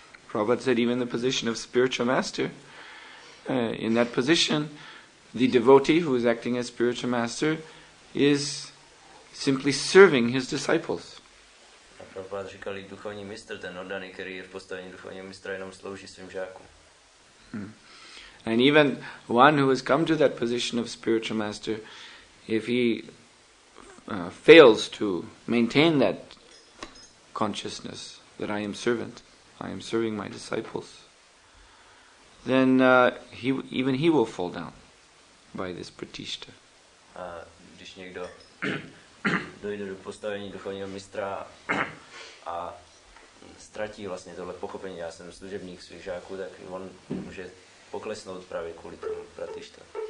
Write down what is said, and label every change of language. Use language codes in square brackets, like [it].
[en] Prabhupada said even the position of spiritual master, in that position, the devotee who is acting as spiritual master is simply serving his disciples. [cs] Prabhupada říkal, že duchovní mistr, ten oddaný, který je v postavení duchovního mistra, jenom slouží svým žákům. [en] And even one who has come to that position of spiritual master, if he fails to maintain that consciousness, that I am servant, I am serving my disciples, then he will fall down by this pratishta. [cs] A když někdo dojde do postavení duchovního mistra a ztratí vlastně tohle pochopení, já jsem služebník svých žáků, tak on může poklesnout právě kvůli tomu pratishta.